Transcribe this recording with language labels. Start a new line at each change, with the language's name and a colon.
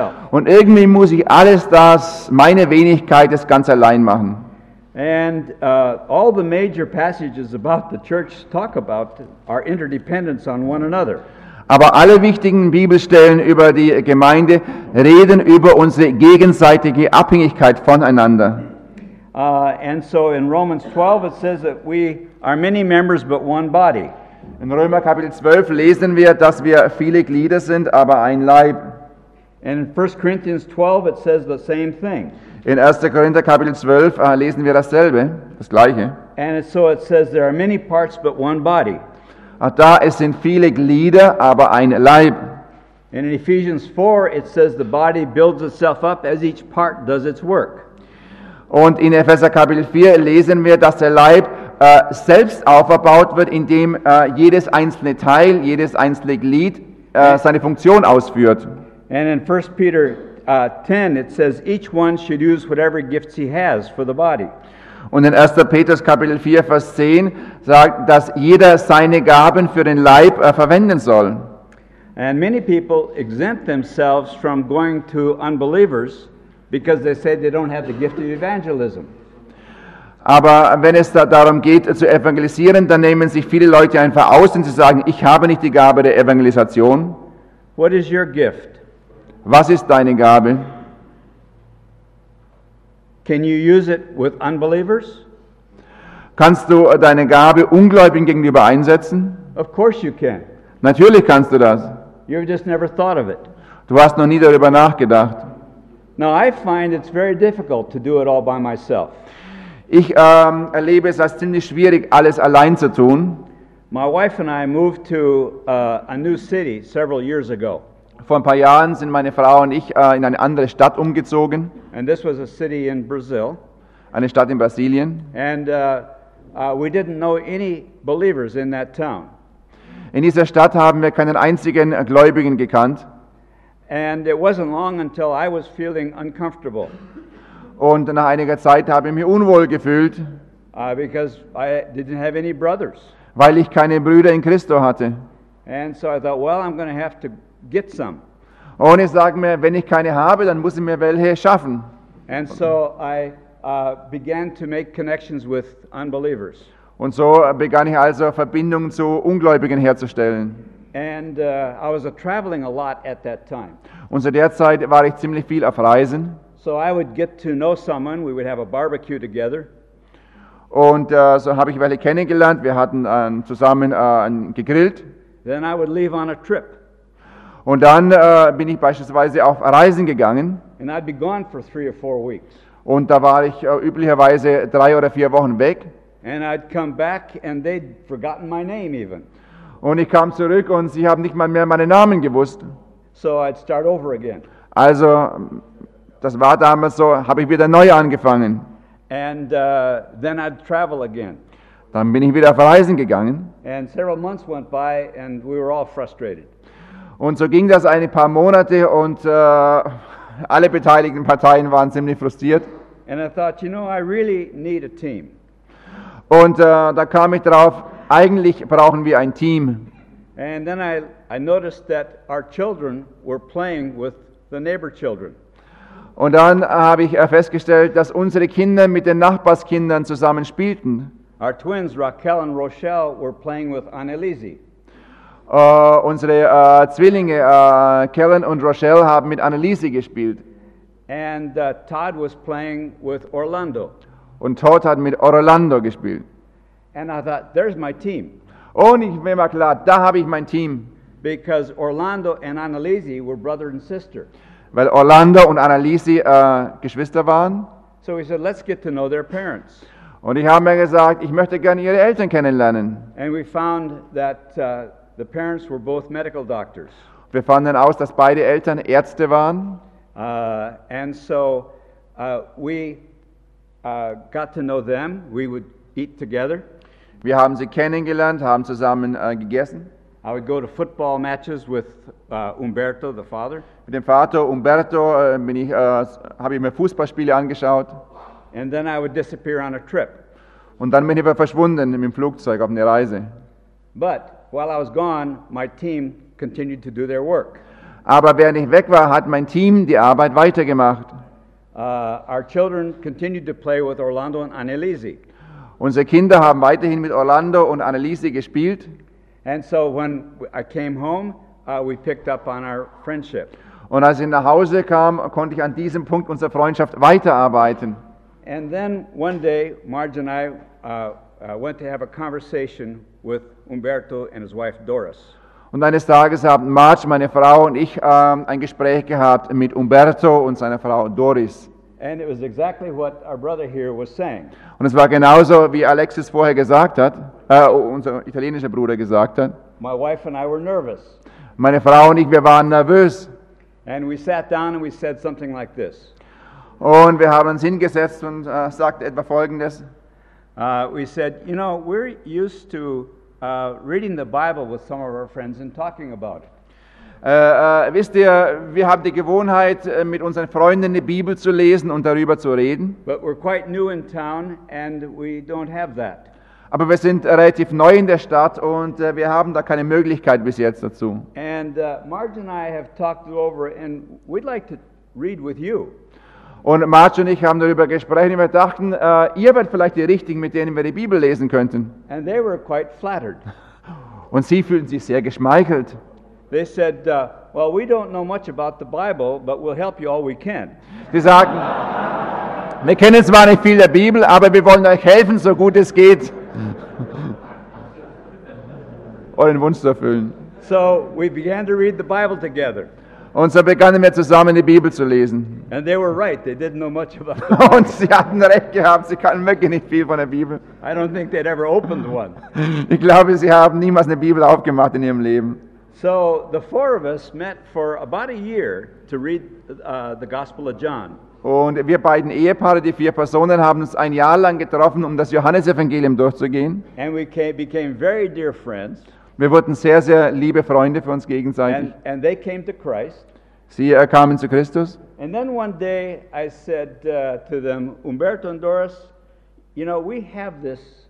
German: Und irgendwie muss ich alles das, meine Wenigkeit, das ganz allein machen.
English: And all the major passages about the church talk about our interdependence on one another.
German: Aber alle wichtigen Bibelstellen über die Gemeinde reden über unsere gegenseitige Abhängigkeit voneinander.
English: And so in Romans 12 it says that we are many members but one body.
German: In Römer Kapitel 12 lesen wir, dass wir viele Glieder sind, aber ein Leib.
English: And in 1 Corinthians 12 it says the same thing.
German: In 1. Korinther Kapitel 12 lesen wir dasselbe, das gleiche.
English: And so it says there are many parts but one body.
German: Da es sind viele Glieder, aber ein Leib.
English: And in Ephesians 4 it says the body builds itself up as each part does its work.
German: Und in Epheser Kapitel 4 lesen wir, dass der Leib selbst aufgebaut wird, indem jedes einzelne Teil, jedes einzelne Glied seine Funktion ausführt.
English: And in 1. Peter 10, it says each one should use whatever gifts he has for the body.
German: Und in 1. Petrus Kapitel 4 Vers 10 sagt, dass jeder seine Gaben für den Leib verwenden soll.
English: And many people exempt themselves from going to unbelievers because they say they don't have the gift of evangelism.
German: Aber wenn es darum geht zu evangelisieren, dann nehmen sich viele Leute einfach aus und sie sagen, ich habe nicht die Gabe der Evangelisation.
English: What is your gift?
German: Was ist deine Gabe?
English: Can you use it with unbelievers?
German: Kannst du deine Gabe Ungläubigen gegenüber einsetzen?
English: Of course you can.
German: Natürlich kannst du das.
English: You've just never thought of it.
German: Du hast noch nie darüber nachgedacht.
English: Now I find it's very difficult to do it all by myself.
German: Ich erlebe es als ziemlich schwierig, alles allein zu tun.
English: My wife and I moved to a new city several years ago.
German: Vor ein paar Jahren sind meine Frau und ich in eine andere Stadt umgezogen.
English: And this was a city in Brazil.
German: Eine Stadt in Brasilien.
English: And we didn't know any believers in that town.
German: In dieser Stadt haben wir keinen einzigen Gläubigen gekannt.
English: And it wasn't long until I was feeling uncomfortable.
German: Und nach einiger Zeit habe ich mich unwohl gefühlt.
English: Because I didn't have any brothers.
German: weil ich keine Brüder in Christo hatte.
English: And so I thought, well, I'm going to have to get some.
German: Und ich sage mir, wenn ich keine habe, dann muss ich mir welche schaffen.
English: And so I began to make connections with unbelievers.
German: Und so begann ich also Verbindungen zu Ungläubigen herzustellen.
English: And I was traveling a lot at that time.
German: Und zu der Zeit war ich ziemlich viel auf Reisen.
English: So I would get to know someone, we would have a barbecue together.
German: Und so habe ich welche kennengelernt, wir hatten zusammen gegrillt.
English: Then I would leave on a trip.
German: Und dann bin ich beispielsweise auf Reisen gegangen.
English: And I'd be gone for three or four weeks.
German: Und da war ich üblicherweise 3 oder 4 Wochen weg.
English: And I'd come back and they'd forgotten my name even.
German: Und ich kam zurück und sie haben nicht mal mehr meinen Namen gewusst.
English: So I'd start over again.
German: Also, das war damals so, habe ich wieder neu angefangen.
English: And then I'd travel again.
German: Dann bin ich wieder auf Reisen gegangen.
English: And several months went by and we were all frustrated.
German: Und so ging das ein paar Monate und alle beteiligten Parteien waren ziemlich frustriert.
English: And I thought, you know, I really need a team.
German: Und da kam ich drauf, eigentlich brauchen wir ein Team.
English: And then I noticed that our children were playing with the neighbor children.
German: Und dann habe ich festgestellt, dass unsere Kinder mit den Nachbarskindern zusammen spielten.
English: Our twins, Raquel and Rochelle, were playing with Annelise.
German: Unsere Zwillinge, Kellen und Rochelle, haben mit Annelise gespielt.
English: And Todd was playing with Orlando.
German: Und Todd hat mit Orlando gespielt.
English: And I thought, there's my team.
German: Und ich mir war klar, da habe ich mein Team.
English: Because Orlando and Annelise were brother and sister.
German: Weil Orlando und Annelise Geschwister waren.
English: So we said, let's get to know their parents.
German: Und ich habe mir gesagt, ich möchte gerne ihre Eltern kennenlernen.
English: And we found that the parents were both medical doctors.
German: Wir fanden aus, dass beide Eltern Ärzte waren.
English: And so we got to know them. We would eat together.
German: Wir haben sie kennengelernt, haben zusammen gegessen.
English: I would go to football matches with Umberto, the father.
German: Mit dem Vater Umberto habe ich mir Fußballspiele angeschaut.
English: And then I would disappear on a trip.
German: Und dann bin ich verschwunden mit dem Flugzeug auf eine Reise.
English: But while I was gone, my team continued to do their work.
German: Aber während ich weg war, hat mein Team die Arbeit weitergemacht.
English: Our children continued to play with Orlando and Annelise.
German: Unsere Kinder haben weiterhin mit Orlando und Annelise gespielt.
English: And so when I came home, we picked up on our friendship.
German: Und als ich nach Hause kam, konnte ich an diesem Punkt unserer Freundschaft weiterarbeiten.
English: And then one day, Marge and I went to have a conversation with Umberto and his wife Doris.
German: Und eines Tages haben Marge, meine Frau und ich ein Gespräch gehabt mit Umberto und seiner Frau Doris.
English: And it was exactly what our brother here was saying.
German: Und es war genauso, wie Alexis vorher gesagt hat, unser italienischer Bruder gesagt hat.
English: My wife and I were nervous.
German: Meine Frau und ich, wir waren nervös.
English: And we sat down and we said something like this.
German: Und wir haben uns hingesetzt und sagten etwa Folgendes.
English: We said, you know, we're used to reading the Bible with some of our friends and talking about it.
German: Wisst ihr, wir haben die Gewohnheit, mit unseren Freunden die Bibel zu lesen und darüber zu reden.
English: But we're quite new in town and we don't have that.
German: Aber wir sind relativ neu in der Stadt und wir haben da keine Möglichkeit bis jetzt dazu.
English: And Marge and I have talked it over and we'd like to read with you.
German: Und Marge und ich haben darüber gesprochen und wir dachten, ihr werdet vielleicht die Richtigen, mit denen wir die Bibel lesen könnten.
English: And they were quite flattered.
German: Und sie fühlten sich sehr geschmeichelt.
English: They said, well, we don't know much about the Bible, but we'll help you all we can.
German: Sie sagten, wir kennen zwar nicht viel der Bibel, aber wir wollen euch helfen, so gut es geht. Euren Wunsch zu erfüllen.
English: So we began to read the Bible together.
German: Und so begannen wir zusammen, die Bibel zu lesen.
English: And they were right, they didn't know much about the Bible.
German: Und sie hatten recht gehabt, sie kannten wirklich nicht viel von der Bibel.
English: I don't think they'd ever opened one.
German: Ich glaube, sie haben niemals eine Bibel aufgemacht in ihrem Leben.
English: So the four of us met for about a year to read the Gospel of John.
German: Und wir beiden Ehepaare, die vier Personen, haben uns ein Jahr lang getroffen, um das Johannesevangelium durchzugehen.
English: And we became very dear friends.
German: Wir wurden sehr, sehr liebe Freunde für uns gegenseitig.
English: And they came to Christ.
German: Sie kamen zu Christus.
English: And then one day I said to them, Umberto and Doris, you know, we have this